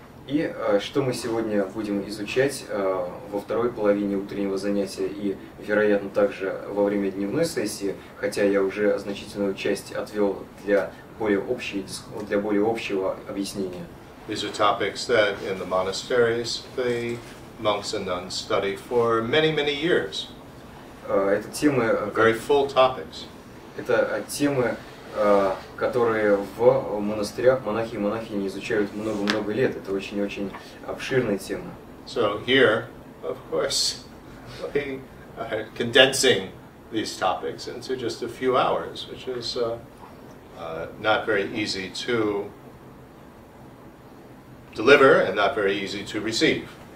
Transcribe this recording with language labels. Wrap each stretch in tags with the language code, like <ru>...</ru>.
<ru>И что мы сегодня будем изучать во второй половине утреннего занятия и, вероятно, также во время дневной сессии, хотя я уже значительную часть отвел для более общего объяснения.</ru> <en>These are topics that in the monasteries the monks and nuns study for many, many years.</en> <ru>Это темы...</ru> <en>Very full topics.</en> <ru>Это темы, которые в монастырях монахи и монахини изучают много-много лет. Это очень-очень обширная тема.</ru> <en>So here, of course, we are condensing these topics into just a few hours, which is not very easy to deliver and not very easy to receive.</en>